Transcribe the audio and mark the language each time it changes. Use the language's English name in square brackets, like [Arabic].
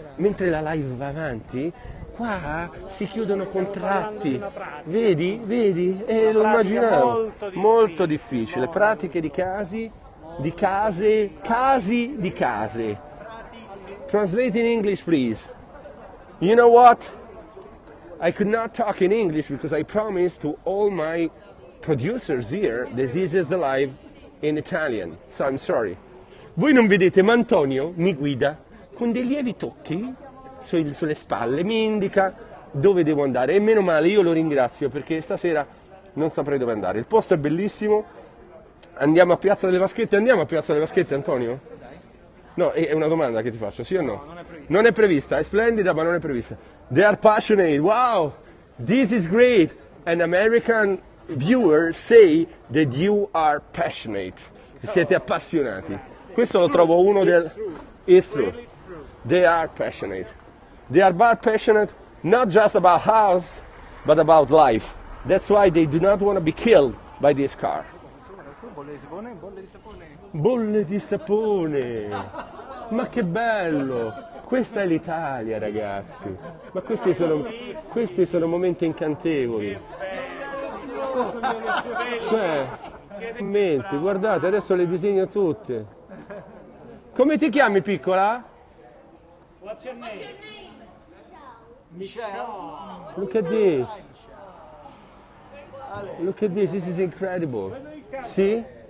[Italian] Mentre la live va avanti, qua si chiudono contratti. Vedi, vedi? E lo immaginavo. Molto difficile. Pratiche di casi, di case, casi di case. [English] Translate in English, please. You know what? I could not talk in English because I promised to all my producers here this is the live in Italian. So I'm sorry. [Italian] Voi non vedete, ma Antonio mi guida con dei lievi tocchi sulle spalle, mi indica dove devo andare. E meno male, io lo ringrazio perché stasera non saprei dove andare. Il posto è bellissimo. Andiamo a Piazza delle Vaschette? Andiamo a Piazza delle Vaschette, Antonio? No, è una domanda che ti faccio, sì o no? No, non è prevista. Non è prevista, è splendida, ma non è prevista. [English] They are passionate, wow, this is great. An American viewer say that you are passionate. [Italian] Siete appassionati. Questo lo trovo uno del... [English] It's true. They are passionate. They are very passionate, not just about house, but about life. That's why they do not want to be killed by this car. [Italian] Bolle di sapone, ma che bello, questa è l'Italia ragazzi, ma questi sono momenti incantevoli, cioè, menti, guardate adesso le disegno tutte, come ti chiami piccola? [English] What's your name? Michelle, look at this, look at this, this is incredible, see?